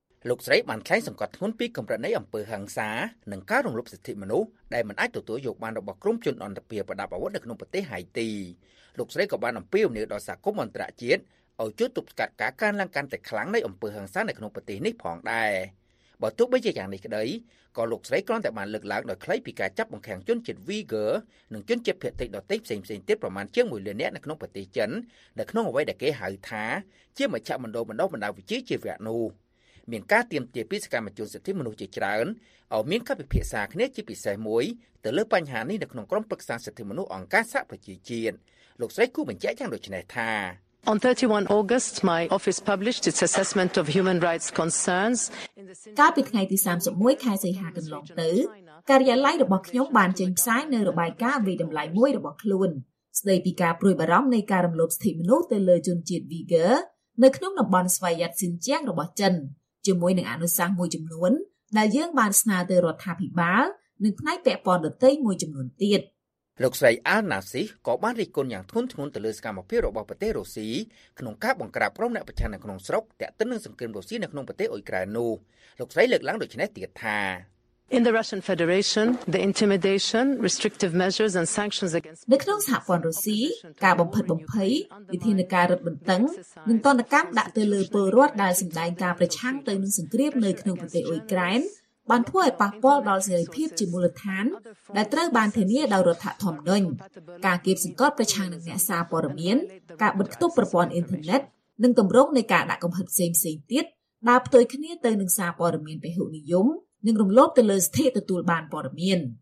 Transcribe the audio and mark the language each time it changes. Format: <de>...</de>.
<km>លោកស្រីបានថ្លែងសង្កត់ធ្ងន់ពីកម្រិតនៃអំពើហិង្សានិងការរំលោភសិទ្ធិមនុស្សដែលមិនអាចទទួលយកបានរបស់ក្រុមជនអន្តរជាតិប្រដាប់អាវុធនៅក្នុងប្រទេសហៃទីលោកស្រីក៏បានអំពាវនាវដល់សហគមន៍អន្តរជាតិឲ្យជួយទប់ស្កាត់ការកើនឡើងកាន់តែខ្លាំងនៃអំពើហិង្សានៅក្នុងប្រទេសនេះផងដែរបើទោះបីជាយ៉ាងនេះក្តីក៏លោកស្រីគ្រាន់តែបានលើកឡើងដោយខ្លីពីការចាប់បង្ខាំងជនជាតិ Uyghur និងជនជាតិភាគតិចដទៃផ្សេងផ្សេងទៀតប្រមាណជាង1លាននាក់នៅក្នុងប្រទេសចិននៅក្នុងអ្វីដែលគេហៅថាជាមជ្ឈមណ្ឌលបណ្ដុះបណ្ដាលវិជ្ជាជីវៈនោះ មានការទាមទារពីសកម្មជនសិទ្ធិមនុស្សជាច្រើនឲ្យមានការពិភាក្សាគ្នាជាពិសេសមួយទៅលើបញ្ហានេះនៅក្នុងក្រុមប្រឹក្សាសិទ្ធិមនុស្សអង្គការសហប្រជាជាតិលោកស្រីគូបញ្ជាក់យ៉ាងដូចនេះថា</km> <en>On 31 August, my office published its assessment of human rights concerns.</en> <km>កាលពីថ្ងៃទី31ខែសីហាកន្លងទៅការិយាល័យរបស់ខ្ញុំបានចេញផ្សាយនូវរបាយការណ៍វិតម្លៃមួយរបស់ខ្លួនស្ដីពីការព្រួយបារម្ភនៃការរំលោភសិទ្ធិមនុស្សទៅលើជនជាតិ Uyghur នៅក្នុងតំបន់ស្វយ័តស៊ីនជៀងរបស់ចិនជាមួយនឹងអនុសាសន៍មួយចំនួនដែលយើងបានស្នើទៅរដ្ឋាភិបាលនិងផ្នែកពាក់ព័ន្ធដទៃមួយចំនួនទៀត លោកស្រីអាណាស៊ីក៏បានរិះគន់យ៉ាងធ្ងន់ធ្ងរទៅលើសកម្មភាពរបស់ប្រទេសរុស្ស៊ីក្នុងការបង្ក្រាបក្រុមអ្នកប្រឆាំងនៅក្នុងស្រុកតែកត្នឹងសង្គ្រាមរុស្ស៊ីនៅក្នុងប្រទេសអ៊ុយក្រែននោះលោកស្រីលើកឡើងដូចនេះទៀតថា</km> <en>In the Russian Federation the intimidation restrictive measures and sanctions against</en> <km>នៅក្នុងសហព័ន្ធរុស្ស៊ីការបំផិតបំភ័យវិធានការរឹតបន្តឹងនិងទណ្ឌកម្មដាក់ទៅលើពលរដ្ឋដែលសម្ដែងការប្រឆាំងទៅនឹងសង្គ្រាមនៅក្នុងប្រទេសអ៊ុយក្រែនបានធ្វើឲ្យប៉ះពាល់ដល់សេរីភាពជាមូលដ្ឋានដែលត្រូវបានធានាដោយរដ្ឋធម្មនុញ្ញការគាបសង្កត់ប្រឆាំងនឹងអ្នកសារព័ត៌មានការបិទគប់ប្រព័ន្ធអ៊ីនធឺណិតនិងទម្រង់នៃការដាក់កំហិតផ្សេងៗទៀតដែលផ្ទុយគ្នាទៅនឹងសារព័ត៌មានពហុនិយមនិងរំលោភទៅលើសិទ្ធិទទួលបានព័ត៌មាន</km>